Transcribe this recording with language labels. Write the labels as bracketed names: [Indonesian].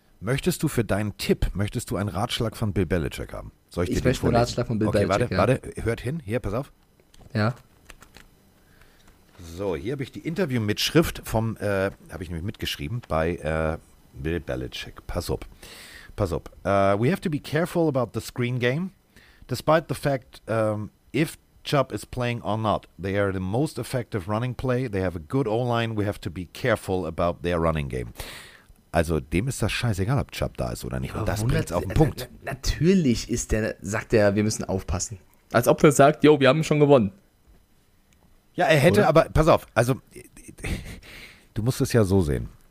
[German] Möchtest du für deinen Tipp, möchtest du einen Ratschlag von Bill Belichick haben? Soll ich dir möchte einen Ratschlag von Bill Belichick. Okay, warte, hört hin. Hier, pass auf. Ja. So, hier habe ich die Interview-Mitschrift vom, habe ich nämlich mitgeschrieben, bei Bill Belichick. Pass up. [English] We have to be careful about the screen game, despite the fact if Chubb is playing or not. They are the most effective running play. They have a good O-line. We have to be careful about their running game. [German] Also, dem ist das scheißegal, ob Chubb da ist oder nicht. Und das bringt es auf den Punkt. Natürlich sagt er, wir müssen aufpassen. Als ob er sagt, jo, wir haben schon gewonnen. Ja, er hätte, oder? Aber pass auf, also du musst es ja so sehen.